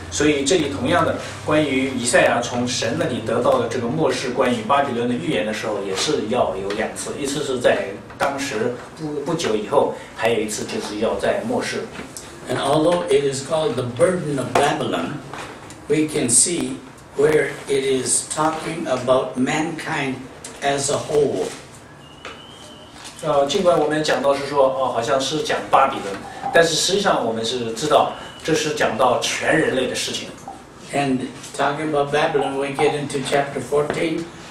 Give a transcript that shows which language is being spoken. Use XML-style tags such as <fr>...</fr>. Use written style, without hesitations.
<zh>所以这里同样的，关于以赛亚从神那里得到的这个末世关于巴比伦的预言的时候，也是要有两次，一次是在当时 不久以后，还有一次就是要在末世。</zh> <en>And although it is called the burden of Babylon, we can see where it is talking about mankind as a whole.</en> <zh>尽管我们讲到是说，好像是讲巴比伦，但是实际上我们是知道，这是讲到全人类的事情。</zh> <en>And talking about Babylon, we get into chapter 14.</en>